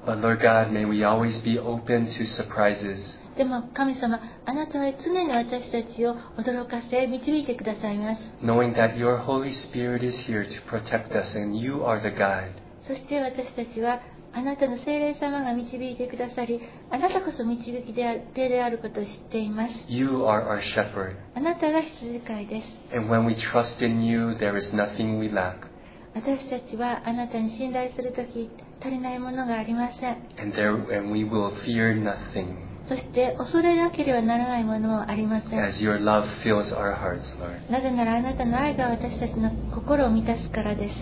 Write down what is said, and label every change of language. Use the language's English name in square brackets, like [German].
[English] But Lord God, may we always be open to surprises. [Japanese] でも神様、あなたは常に私たちを驚かせ導いてくださいます。 [English] Knowing that your Holy Spirit is here to protect us and you are the guide. [Japanese] そして私たちはあなたの聖霊様が導いてくださり、あなたこそ導き手であることを知っています。 [English] You are our shepherd. [Japanese] あなたが羊飼いです。 [English] And when we trust in you, there is nothing we lack. [Japanese] 私たちはあなたに信頼するとき、足りないものがありません。 [English] And we will fear nothing. [Japanese] そして恐れなければならないものもありません。 [English] As your love fills our hearts, Lord. [Japanese] なぜならあなたの愛が私たちの心を満たすからです。